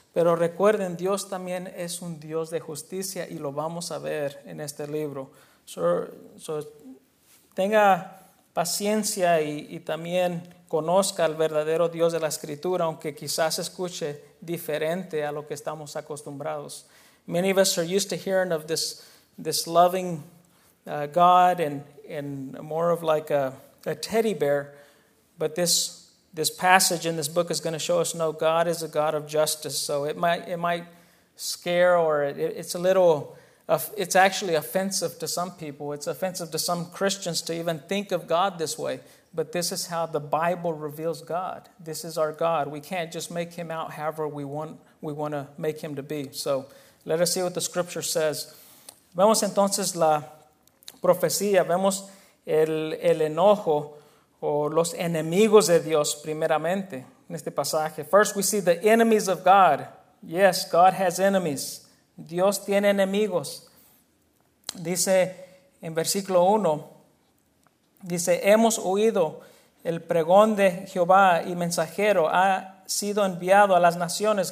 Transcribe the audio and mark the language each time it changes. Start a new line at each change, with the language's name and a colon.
Spanish: Pero recuerden, Dios también es un Dios de justicia y lo vamos a ver en este libro. So tenga paciencia y también conozca al verdadero Dios de la Escritura, aunque quizás escuche diferente a lo que estamos acostumbrados.
English: Many of us are used to hearing of this loving God and more of like a teddy bear, but this passage in this book is going to show us no, God is a God of justice. So it might scare, or it's actually offensive to some people. It's offensive to some Christians to even think of God this way. But this is how the Bible reveals God. This is our God. We can't just make him out however we want to make him to be. So let us see what the scripture says.
Spanish: Vemos entonces la profecía, vemos el enojo o los enemigos de Dios primeramente en este pasaje.
English: First we see the enemies of God. Yes, God has enemies.
Spanish: Dios tiene enemigos. Dice en versículo 1, dice, hemos oído el pregón de Jehová y mensajero ha sido enviado a las naciones.